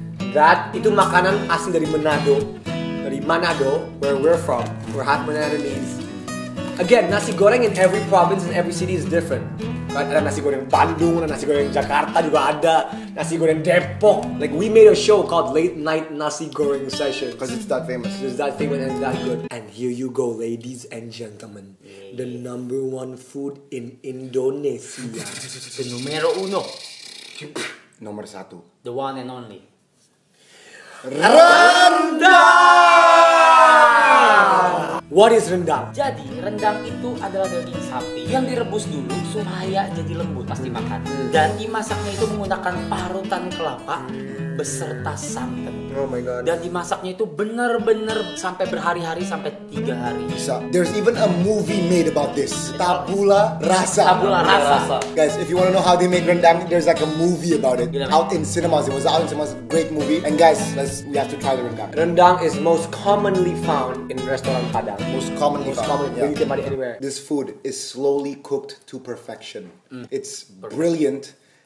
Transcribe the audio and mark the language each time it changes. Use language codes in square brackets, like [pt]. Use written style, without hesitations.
[id] That itu makanan asli dari Manado. [en] Dari Manado, where we're from, we're half Manadoese. Again, nasi goreng in every province and every city is different. Right? [id] Ada nasi goreng Bandung, ada nasi goreng Jakarta juga ada, nasi goreng Depok. [en] Like we made a show called Late Night Nasi Goreng Session. Because it's that famous. It's that famous and that good. And here you go, ladies and gentlemen. The number one food in Indonesia. The numero uno. [id] Nomor satu. [en] The one and only. Rendang! What is rendang? [id] Jadi, rendang itu adalah daging sapi yang direbus dulu supaya jadi lembut pas dimakan. Dan dimasaknya itu menggunakan parutan kelapa beserta santan. [en] Oh my god. [id] Dan dimasaknya itu benar-benar sampai berhari-hari sampai 3 hari. [en] Bisa. There's even a movie made about this. Tabula Rasa. Tabula Rasa. Guys, if you want to know how they make rendang, there's like a movie about it. Gila, out in cinemas. It was out in cinemas. Great movie. And guys, we have to try the rendang. Rendang is most commonly found in restaurant Padang. Most commonly found. Yeah. You can buy it anywhere. This food is slowly cooked to perfection. It's brilliant.